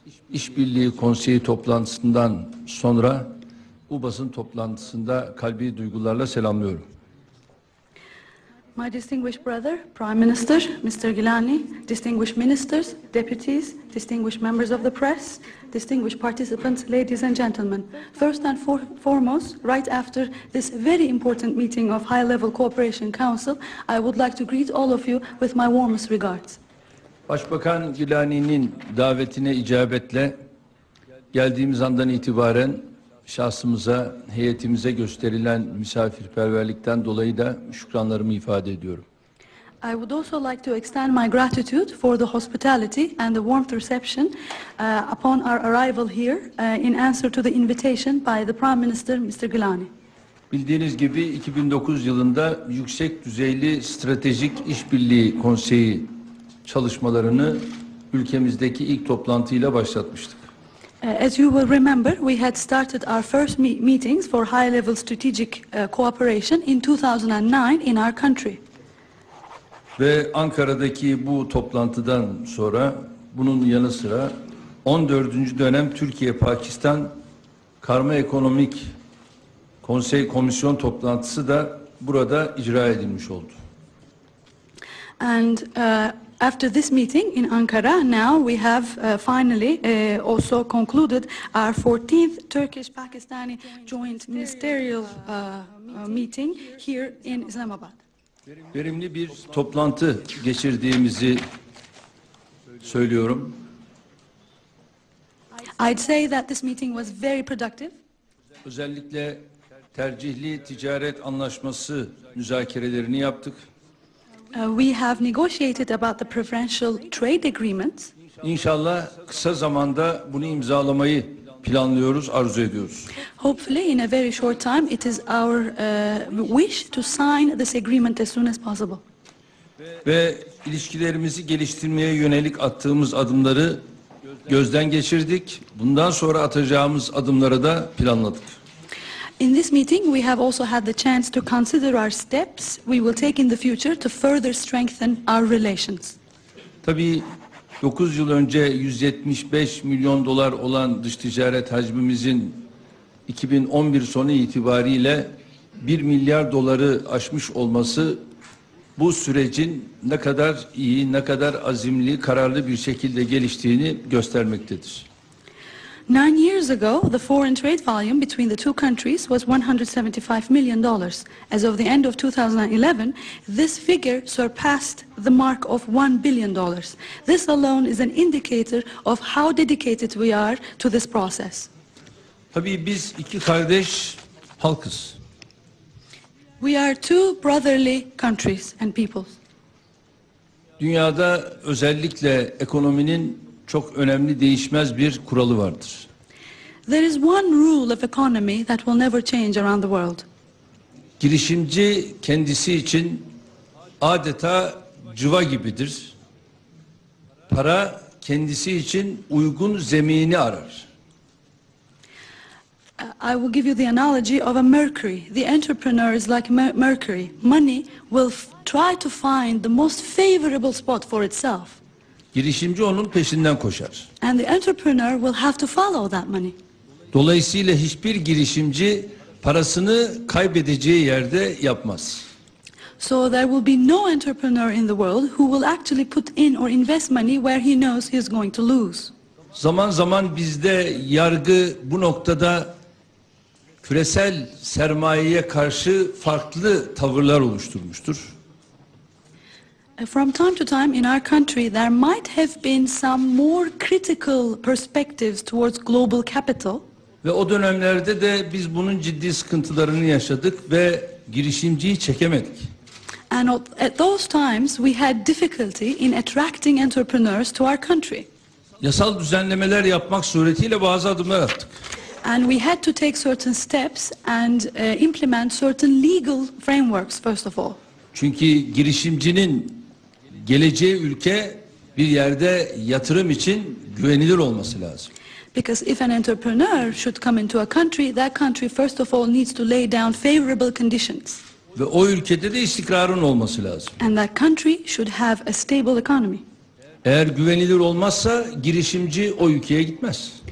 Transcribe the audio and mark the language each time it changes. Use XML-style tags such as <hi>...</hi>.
<tr>İşbirliği Konseyi toplantısından sonra bu basın toplantısında kalbi duygularla selamlıyorum.</tr> <en>My distinguished brother, Prime Minister, Mr. Gilani, distinguished ministers, deputies, distinguished members of the press, distinguished participants, ladies and gentlemen. First and foremost, right after this very important meeting of High-Level Cooperation Council, I would like to greet all of you with my warmest regards.</en> <tr>Başbakan Gilani'nin davetine icabetle geldiğimiz andan itibaren şahsımıza, heyetimize gösterilen misafirperverlikten dolayı da şükranlarımı ifade ediyorum.</tr> <en>I would also like to extend my gratitude for the hospitality and the warmth reception upon our arrival here in answer to the invitation by the Prime Minister Mr. Gilani.</en> <tr>Bildiğiniz gibi 2009 yılında yüksek düzeyli stratejik işbirliği konseyi çalışmalarını ülkemizdeki ilk toplantıyla başlatmıştık.</tr> <en>As you will remember, we had started our first meetings for high-level strategic cooperation in 2009 in our country.</en> <tr>Ve Ankara'daki bu toplantıdan sonra bunun yanı sıra 14. dönem Türkiye-Pakistan Karma Ekonomik Konsey Komisyon toplantısı da burada icra edilmiş oldu.</tr> <en>And after this meeting in Ankara, now we have finally also concluded our 14th Turkish-Pakistani joint ministerial meeting here in Islamabad.</en> <tr>Verimli bir toplantı geçirdiğimizi söylüyorum.</tr> <en>I'd say that this meeting was very productive.</en> <tr>Özellikle tercihli ticaret anlaşması müzakerelerini yaptık.</tr> <en>We have negotiated about the preferential trade agreement.</en> <tr>İnşallah kısa zamanda bunu imzalamayı planlıyoruz, arzu ediyoruz.</tr> <en>Hopefully in a very short time it is our wish to sign this agreement as soon as possible.</en> <tr>Ve ilişkilerimizi geliştirmeye yönelik attığımız adımları gözden geçirdik. Bundan sonra atacağımız adımları da planladık.</tr> <en>In this meeting we have also had the chance to consider our steps we will take in the future to further strengthen our relations.</en> <tr>Tabii 9 yıl önce 175 milyon dolar olan dış ticaret hacmimizin 2011 sonu itibariyle 1 milyar doları aşmış olması bu sürecin ne kadar iyi, ne kadar azimli, kararlı bir şekilde geliştiğini göstermektedir.</tr> <en>9 years ago, the foreign trade volume between the two countries was $175 million. As of the end of 2011, this figure surpassed the mark of $1 billion. This alone is an indicator of how dedicated we are to this process.</en> <tr>Tabii biz iki kardeş halkız.</tr> <en>We are two brotherly countries and peoples.</en> <tr>Dünyada özellikle ekonominin çok önemli değişmez bir kuralı vardır.</tr> <en>There is one rule of economy that will never change around the world.</en> <tr>Girişimci kendisi için adeta cıva gibidir. Para kendisi için uygun zemini arar.</tr> <en>I will give you the analogy of a mercury. The entrepreneur is like mercury. Money will try to find the most favorable spot for itself.</en> <tr>Girişimci onun peşinden koşar.</tr> <en>And the entrepreneur will have to follow that money.</en> <tr>Dolayısıyla hiçbir girişimci parasını kaybedeceği yerde yapmaz.</tr> <en>So there will be no entrepreneur in the world who will actually put in or invest money where he knows he is going to lose.</en> <tr>Zaman zaman bizde yargı bu noktada küresel sermayeye karşı farklı tavırlar oluşturmuştur.</tr> <en>From time to time in our country there might have been some more critical perspectives towards global capital.</en> <tr>Ve o dönemlerde de biz bunun ciddi sıkıntılarını yaşadık ve girişimciyi çekemedik.</tr> <en>And at those times we had difficulty in attracting entrepreneurs to our country.</en> <tr>Yasal düzenlemeler yapmak suretiyle bazı adımlar attık.</tr> <en>And we had to take certain steps and implement certain legal frameworks first of all.</en> <tr>Çünkü girişimcinin geleceği ülke bir yerde yatırım için güvenilir olması lazım.</tr> <en>Because if an entrepreneur should come into a country, that country first of all needs to lay down favorable conditions.</en> <tr>Ve o ülkede de istikrarın olması lazım.</tr> <en>And that country should have a stable economy.</en> <tr>Eğer güvenilir olmazsa girişimci o ülkeye gitmez.</tr>